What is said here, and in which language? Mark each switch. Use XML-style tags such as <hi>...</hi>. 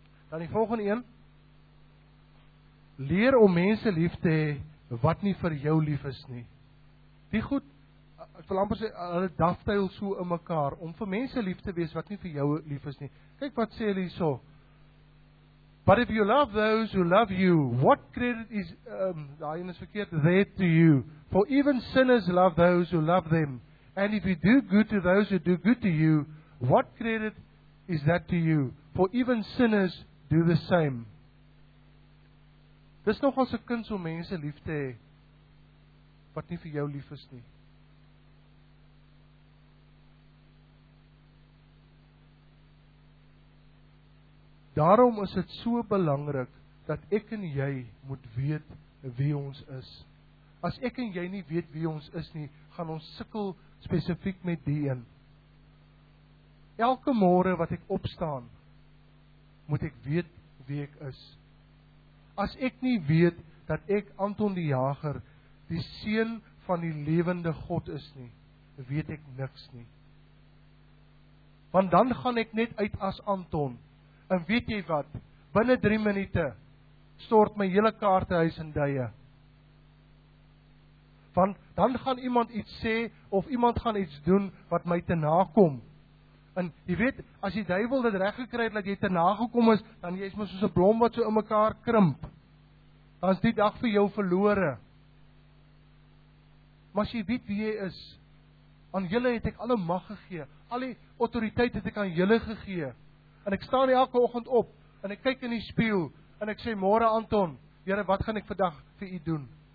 <af>Dan die volgende een, leer om mense lief te hê wat nie vir jou lief is nie. Die goed, ek wil amper sê, hulle dafteil so in mekaar, om vir mense lief te wees wat nie vir jou lief is nie. Kyk wat sê hulle so.</af> <en>But if you love those who love you, what credit is,</en> <af>daarin is verkeerd,</af> <en>there to you. For even sinners love those who love them. And if you do good to those who do good to you, what credit is that to you? For even sinners do the same.</en> <af>Dis nog als een kind so mense lief te hê, wat nie vir jou lief is nie. Daarom is het so belangrik, dat ek en jy moet weet wie ons is. As ek en jy nie weet wie ons is nie, gaan ons sukkel specifiek met die een. Elke môre wat ek opstaan, moet ek weet wie ek is. As ek nie weet dat ek Anton die Jager, die seun van die lewende God is nie, weet ek niks nie. Want dan gaan ek net uit as Anton. En weet jy wat? Binne 3 minute stort my hele kaartehuis in duie. Want dan gaan iemand iets sê of iemand gaan iets doen wat my te nakom. En jy weet, as die duivel dit reggekry het dat jy te nagekom is, dan jy is maar soos 'n blom wat so in mekaar krimp. Dan is die dag vir jou verlore. Maar as jy weet wie jy is, aan julle het ek alle mag gegee, al die autoriteit het ek aan julle gegee, en ek staan elke oggend op, en ek kyk in die spieël, en ek sê, môre Anton, Here, wat gaan ek vandag vir u doen?</af>